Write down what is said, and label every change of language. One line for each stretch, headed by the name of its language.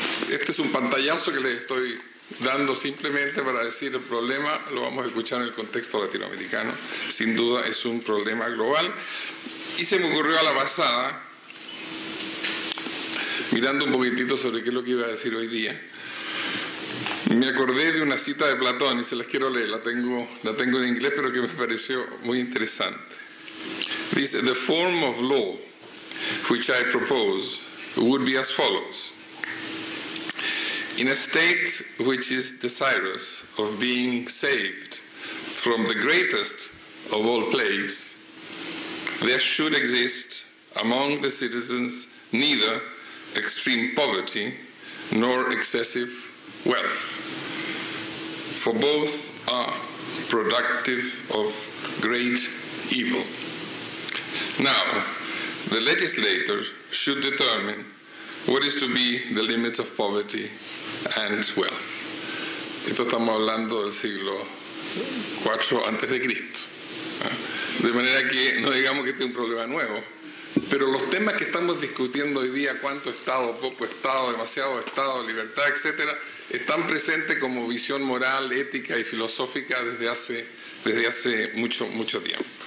Spanish: Este es un pantallazo que les estoy dando simplemente para decir el problema, lo vamos a escuchar en el contexto latinoamericano, sin duda es un problema global. Y se me ocurrió a la pasada, mirando un poquitito sobre qué es lo que iba a decir hoy día, me acordé de una cita de Platón y se las quiero leer, la tengo en inglés, pero que me pareció muy interesante.
English: Dice, the form of law which I propose would be as follows. In a state which is desirous of being saved from the greatest of all plagues, there should exist among the citizens neither extreme poverty nor excessive wealth, for both are productive of great evil. Now, the legislator should determine what is to be the limits of poverty and wealth.
Spanish: Esto estamos hablando del siglo IV antes de Cristo. De manera que no digamos que este es un problema nuevo, pero los temas que estamos discutiendo hoy día, cuánto Estado, poco Estado, demasiado Estado, libertad, etcétera, están presentes como visión moral, ética y filosófica desde hace mucho, mucho tiempo.